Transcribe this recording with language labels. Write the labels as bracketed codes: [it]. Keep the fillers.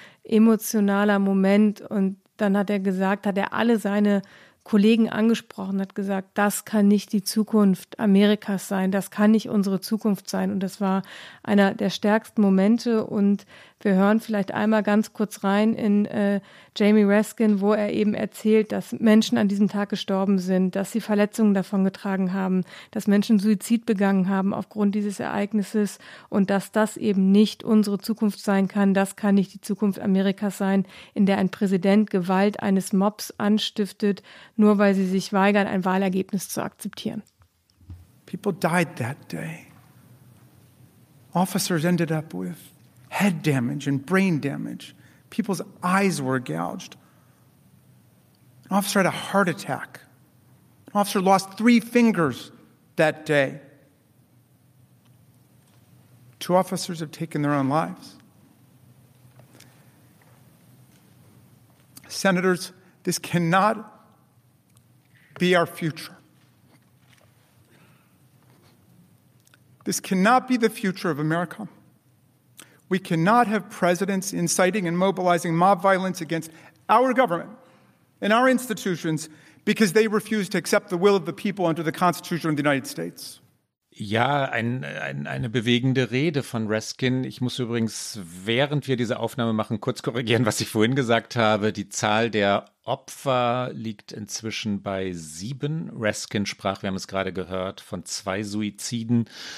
[de] emotionaler Moment und dann hat er gesagt, hat er alle seine Kollegen angesprochen, hat gesagt, das kann nicht die Zukunft Amerikas sein, das kann nicht unsere Zukunft sein und das war einer der stärksten Momente und wir hören vielleicht einmal ganz kurz rein in äh, Jamie Raskin, wo er eben erzählt, dass Menschen an diesem Tag gestorben sind, dass sie Verletzungen davongetragen haben, dass Menschen Suizid begangen haben aufgrund dieses Ereignisses und dass das eben nicht unsere Zukunft sein kann. Das kann nicht die Zukunft Amerikas sein, in der ein Präsident Gewalt eines Mobs anstiftet, nur weil sie sich weigern, ein Wahlergebnis zu akzeptieren. [en] People died that day. Officers ended up with head damage and brain damage. People's eyes were gouged. An officer had a heart attack. An officer lost three fingers that day. Two officers have taken their own lives. Senators, this cannot be our future. This cannot be the future of America. We cannot have presidents inciting and mobilizing mob violence against our government and our institutions because they refuse to accept the will of the people under the Constitution of the United States. [de] Ja, ein, ein, eine bewegende Rede von Reskin. Ich muss übrigens, während wir diese Aufnahme machen, kurz korrigieren, was ich vorhin gesagt habe. Die Zahl der Opfer liegt inzwischen bei sieben. Reskin sprach, wir haben es gerade gehört, von zwei Suiziden.